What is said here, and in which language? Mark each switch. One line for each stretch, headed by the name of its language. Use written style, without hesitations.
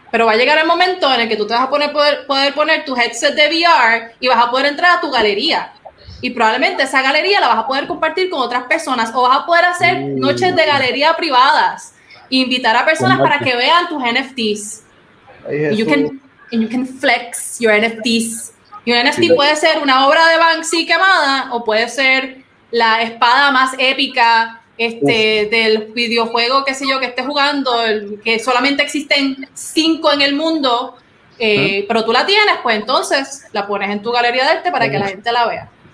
Spanish: pero va a llegar el momento en el que tú te vas a poder poner tu headset de VR y vas a poder entrar a tu galería. Y probablemente esa galería la vas a poder compartir con otras personas o vas a poder hacer noches de galería privadas e invitar a personas para que vean tus NFTs.
English: And you can flex your NFTs.
Spanish: Y un NFT puede ser una obra de Banksy quemada o puede ser la espada más épica del videojuego, qué sé yo, que esté jugando, que solamente existen 5 en el mundo, pero tú la tienes, pues entonces la pones en tu galería de para que la gente la vea.